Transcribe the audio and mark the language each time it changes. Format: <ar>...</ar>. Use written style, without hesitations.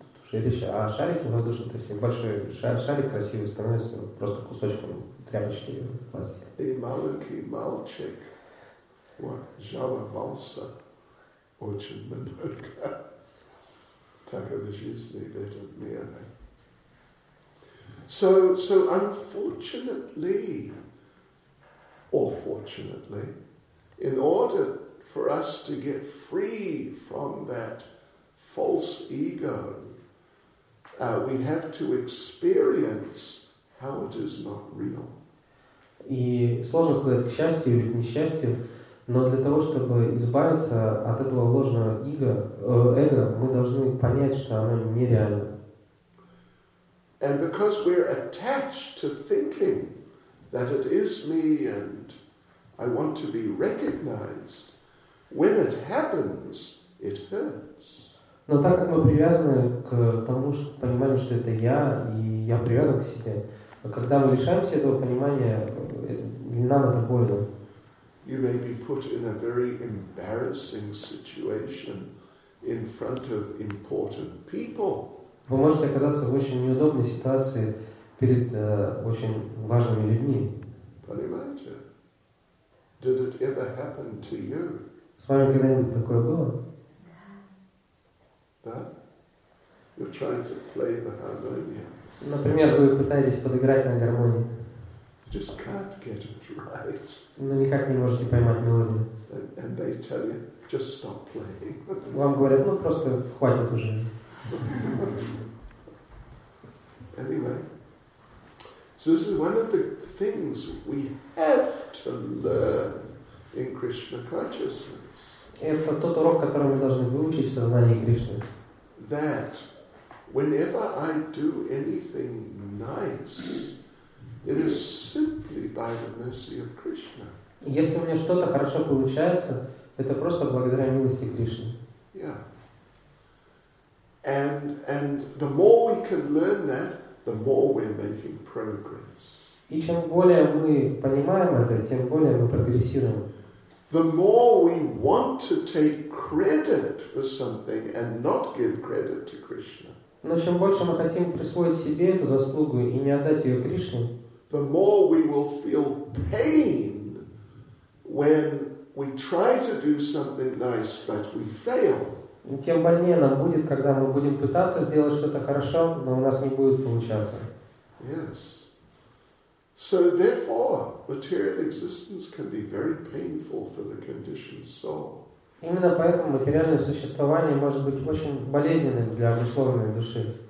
<ru>Слушай, а шарики воздушные, то есть большой шарик красивый становится просто кусочком тряпочки пластика. И маленький мальчик жаловался очень много. Так это жизнь в этом мире.</ru> <en>So unfortunately, or fortunately, in order for us to get free from that false ego, we have to experience how it is not real.</en> <ru>И сложно сказать, к счастью или к несчастью, но для того, чтобы избавиться от этого ложного эго, мы должны понять, что оно нереально.</ru> <en>And because we're attached to thinking that it is me and I want to be recognized, when it happens, it hurts.</en> <ru>Но так как мы привязаны к тому, что понимаем, что это я, и я привязан к себе, когда мы лишаемся этого понимания, нам это больно.</ru> <en>You may be put in a very embarrassing situation in front of important people.</en> <ru>Вы можете оказаться в очень неудобной ситуации перед очень важными людьми. Понимаете?</ru> <en>Did it ever happen to you?</en> <ru>С вами когда-нибудь такое было?</ru> <en>Да? You're trying to play the harmonium.</en> <ru>Например, вы пытаетесь подыграть на гармонии.</ru> <en>You just can't get it right.</en> <ru>Но никак не можете поймать мелодию.</ru> <en>And they tell you, just stop playing.</en> <ru>Вам говорят, ну просто хватит уже.</ru> <en>Anyway, so this is one of the things we have to learn in Krishna consciousness.</en> <ru>Это тот урок, который мы должны выучить в сознании Кришны.</ru> <en>That whenever I do anything nice, it is simply by the mercy of Krishna.</en> <ru>Если у меня что-то хорошо получается, это просто благодаря милости Кришны.</ru> <en>Yeah. And the more we can learn that, the more we're making progress.</en> <ru>И чем более мы понимаем это, тем более мы прогрессируем.</ru> <en>The more we want to take credit for something and not give credit to Krishna.</en> <ru>Но чем больше мы хотим присвоить себе эту заслугу и не отдать ее Кришне.</ru> <en>The more we will feel pain when we try to do something nice but we fail.</en> <ru>Тем больнее нам будет, когда мы будем пытаться сделать что-то хорошо, но у нас не будет получаться.</ru> <en>Yes. So therefore, material existence can be very painful for the conditioned soul.</en> <ru>Именно поэтому материальное существование может быть очень болезненным для обусловленной души.</ru>